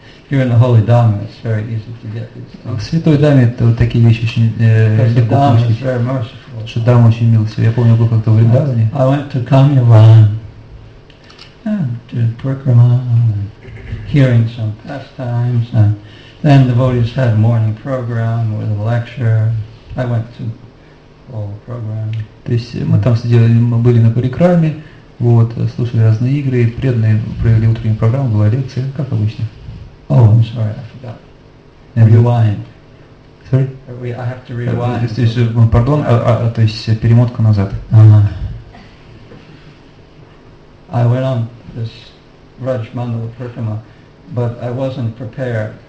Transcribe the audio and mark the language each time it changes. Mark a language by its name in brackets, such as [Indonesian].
[English] Here in the Holy Dhamma, it's very easy to get these things. [Russian] В Святой Дхамме это вот такие вещи очень легко получить. [English] Is very merciful. [Russian] Что Дхамма очень милостивая. Я помню, был как-то в Вриндаване. [English] I went to Kamyavan. To Parikrama. Hearing some pastimes. And then the devotees had a morning program with a lecture. I went to all the program. [Russian] То есть мы там сидели, мы были на парикраме, вот, слушали разные игры, преданные провели утреннюю программу, была лекция, как обычно. [English] Oh, I'm sorry, I forgot. Rewind. Sorry? I have to rewind. [Russian] То есть, пардон, то есть перемотка назад. [English] I went on this Raj Mandala Parikrama, but I wasn't prepared.